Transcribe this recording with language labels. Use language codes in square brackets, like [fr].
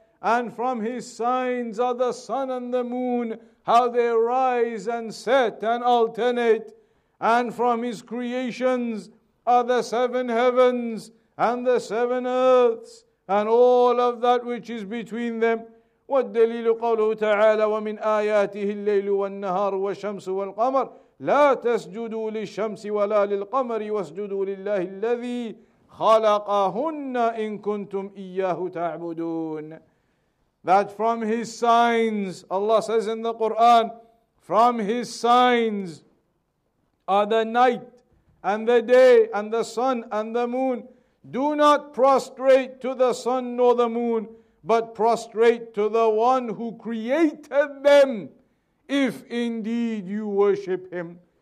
[en] And from his signs are the sun and the moon, how they rise and set and alternate. And from his creations are the seven heavens and the seven earths and all of that which is between them. [ar] والدليل قوله تعالى ومن آياته الليل والنهار والشمس والقمر لا تسجدوا للشمس ولا للقمر واسجدوا لله الذي خلقهن إن كنتم إياه تعبدون. [en] That from his signs, Allah says in the Quran, from his signs are the night and the day and the sun and the moon. Do not prostrate to the sun nor the moon, but prostrate to the one who created them, if indeed you worship him.